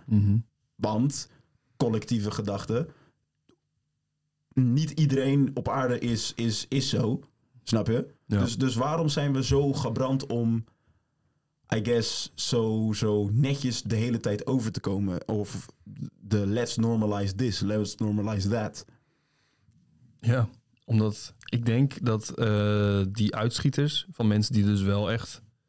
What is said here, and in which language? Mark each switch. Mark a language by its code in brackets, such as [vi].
[nl] Mm-hmm. Want collectieve gedachte, niet iedereen op aarde is zo. Snap je? Ja. Dus waarom zijn we zo gebrand om, [en] I guess, [nl] zo netjes de hele tijd over te komen? Of de [en] let's normalize this, let's normalize that. [nl] Ja, omdat ik denk dat die uitschieters van mensen die dus wel echt